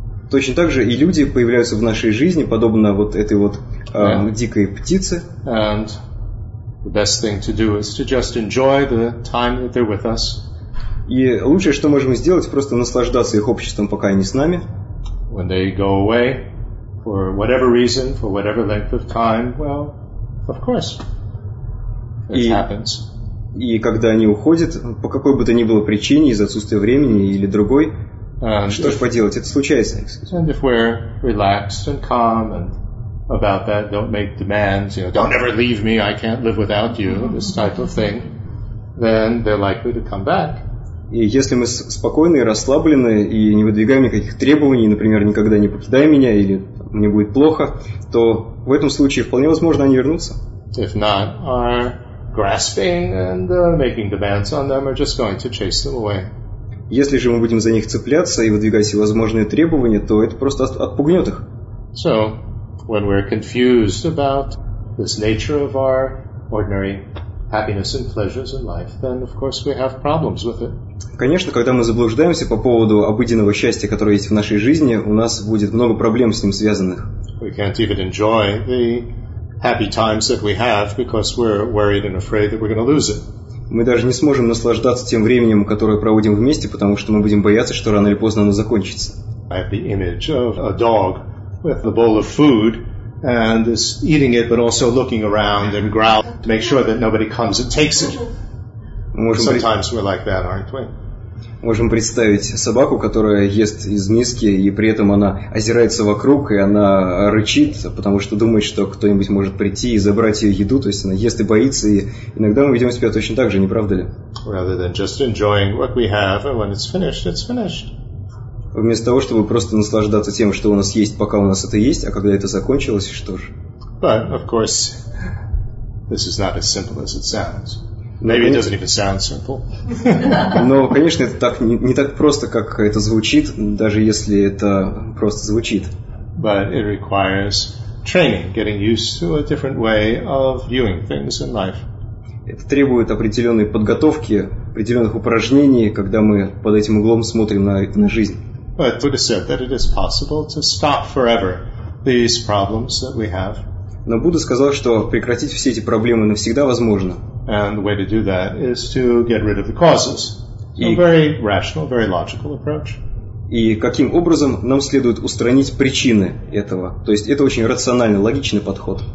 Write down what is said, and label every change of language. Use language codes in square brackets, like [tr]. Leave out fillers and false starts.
[ru] Точно так же и люди появляются в нашей жизни, подобно вот этой вот дикой птице. [en] And the best thing to do is to just enjoy the time that they're with us. [ru] И лучшее, что можем сделать, просто наслаждаться их обществом, пока они с нами. [en] When they go away, for whatever reason, for whatever length of time, well, of course, it happens. [ru] И когда они уходят, по какой бы то ни было причине, из-за отсутствия времени или другой, что ж поделать, это случается. [en] And if we're relaxed and calm and about that, don't make demands, you know, don't ever leave me, I can't live without you, this type of thing, then they're likely to come back. [ru] И если мы спокойны и расслаблены, и не выдвигаем никаких требований, например, никогда не покидай меня, или мне будет плохо, то в этом случае вполне возможно они вернутся. [en] If not, our grasping and making demands on them are just going to chase them away. [ru] Если же мы будем за них цепляться и выдвигать всевозможные требования, то это просто отпугнет их. [en] So, when we're confused about this nature of our ordinary happiness and pleasures in life, then of course we have problems with it. [ru] Конечно, когда мы заблуждаемся по поводу обыденного счастья, которое есть в нашей жизни, у нас будет много проблем с ним связанных. [en] We can't even enjoy the happy times that we have because we're worried and afraid that we're going to lose it. [ru] Мы даже не сможем наслаждаться тем временем, которое проводим вместе, потому что мы будем бояться, что рано или поздно оно закончится. [en] I have the image of a dog with a bowl of food and is eating it, but also looking around and growling to make sure that nobody comes and takes it. Sometimes we're like that, aren't we? [ru] Можем представить собаку, которая ест из миски, и при этом она озирается вокруг, и она рычит, потому что думает, что кто-нибудь может прийти и забрать ее еду, то есть она ест и боится, и иногда мы ведем себя точно так же, не правда ли? [en] Rather than just enjoying what we have, and when it's finished, it's finished. [ru] Вместо того, чтобы просто наслаждаться тем, что у нас есть, пока у нас это есть, а когда это закончилось, что ж? [en] But, of course, this is not as simple as it sounds. Maybe it doesn't even sound simple. [ru] Но, конечно, это так не так просто, как это звучит, даже если это просто звучит. [en] But it requires training, getting used to a different way of viewing things in life. [ru] Это требует определенной подготовки, определенных упражнений, когда мы под этим углом смотрим на жизнь. [en] But Buddha said that it is possible to stop forever these problems that we have. [ru] Но Будда сказал, что прекратить все эти проблемы навсегда возможно. [en] And the way to do that is to get rid of the causes. So a very rational, very logical approach. [ru] И каким образом нам следует устранить причины этого? То есть это очень рациональный, логичный подход.